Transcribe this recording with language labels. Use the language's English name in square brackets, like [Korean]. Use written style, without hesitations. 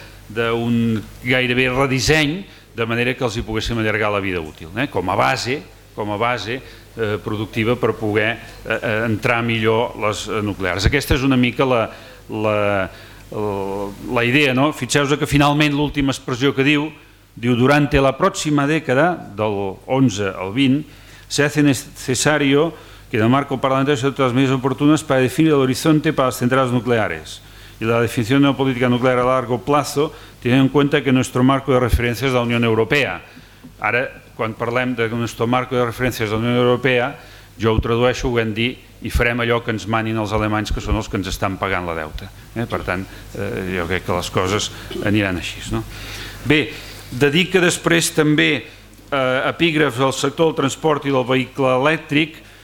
[Catalan] d'un gairebé redisseny, de manera que els hi poguéssim allargar la vida útil, com a base productiva per poder entrar millor les nuclears. Aquesta és una mica la idea, no? Fixeu-vos que finalment l'última expressió que diu [Spanish] durante la próxima década, del 11 al 20, se hace necesario que en el marco parlamentario se adopten las medidas oportunas para definir el horizonte para las centrales nucleares y la definición de una política nuclear a largo plazo teniendo en cuenta que nuestro marco de referencia es la Unión Europea. [Catalan] Ara, quan parlem de [Spanish] nuestro marco de referencia es la Unión Europea, [Catalan] jo ho tradueixo, ho vam dir, i farem allò que ens manin els alemanys, que són els que ens estan pagant la deute. Per tant, jo crec que les coses aniran així. No? Bé, de dir que després també epígrafs del sector del transport i del vehicle elèctric.